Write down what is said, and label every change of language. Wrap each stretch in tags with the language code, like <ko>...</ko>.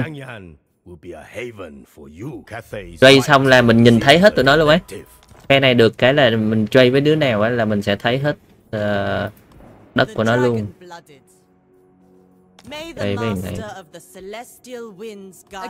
<en>Shang-Yan will be a haven for you.</en> <vi>Trade xong là mình nhìn thấy hết tụi nó luôn ấy. Cái này được cái là mình trade với đứa nào ấy, là mình sẽ thấy hết đất của nó luôn.</vi> <en>May the master of the Celestial Winds guide.</en>